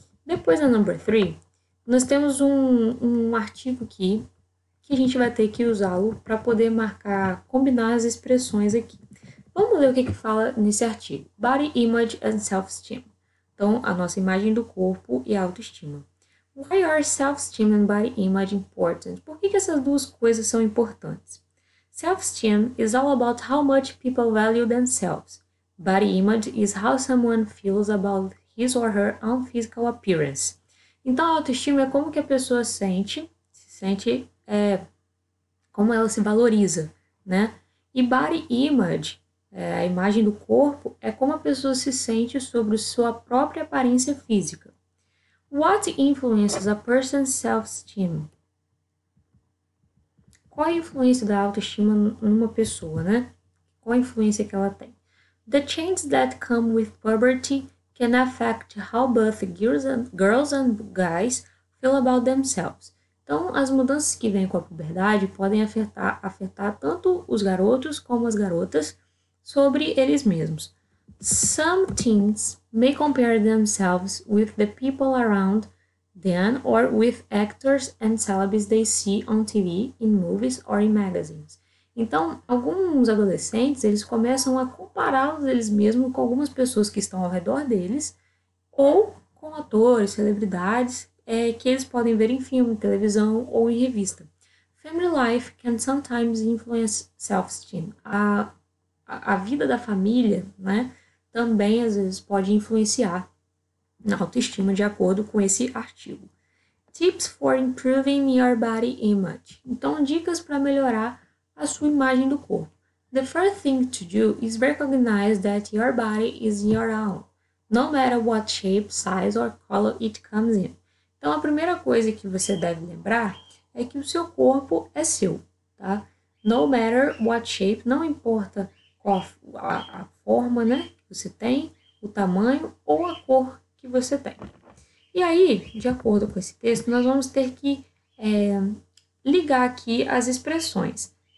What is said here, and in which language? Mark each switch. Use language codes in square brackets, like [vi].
[pt] Depois, na number 3, nós temos um artigo aqui que a gente vai ter que usá-lo para poder marcar, combinar as expressões aqui. Vamos ler o que fala nesse artigo. [en] Body image and self-esteem. [pt] Então, a nossa imagem do corpo e a autoestima. [en] Why are self-esteem and body image important? [pt] Por que que essas duas coisas são importantes? [en] Self-esteem is all about how much people value themselves. Body image is how someone feels about his or her own physical appearance. [pt] Então, a autoestima é como que a pessoa se sente, como ela se valoriza, né? E body image, a imagem do corpo, é como a pessoa se sente sobre sua própria aparência física. [en] What influences a person's self-esteem? [pt] Qual a influência da autoestima numa pessoa, né? Qual a influência que ela tem? [en] The changes that come with puberty can affect how both girls and guys feel about themselves. [pt] Então, as mudanças que vêm com a puberdade podem afetar tanto os garotos como as garotas sobre eles mesmos. [en] Some teens may compare themselves with the people around them or with actors and celebs they see on TV, in movies or in magazines. [pt] Então, alguns adolescentes, eles começam a compará-los eles mesmos com algumas pessoas que estão ao redor deles, ou com atores, celebridades, que eles podem ver em filme, televisão ou em revista. [en] Family life can sometimes influence self-esteem. [pt] A vida da família, né, também às vezes pode influenciar na autoestima, de acordo com esse artigo. [en] Tips for improving your body image. [pt] Então, dicas para melhorar a sua imagem do corpo. [en] The first thing to do is recognize that your body is your own, no matter what shape, size or color it comes in. [pt] Então, a primeira coisa que você deve lembrar é que o seu corpo é seu, tá? [en] No matter what shape, [pt] não importa qual a forma, né, que você tem, o tamanho ou a cor que você tem. E aí, de acordo com esse texto, nós vamos ter que ligar aqui as expressões.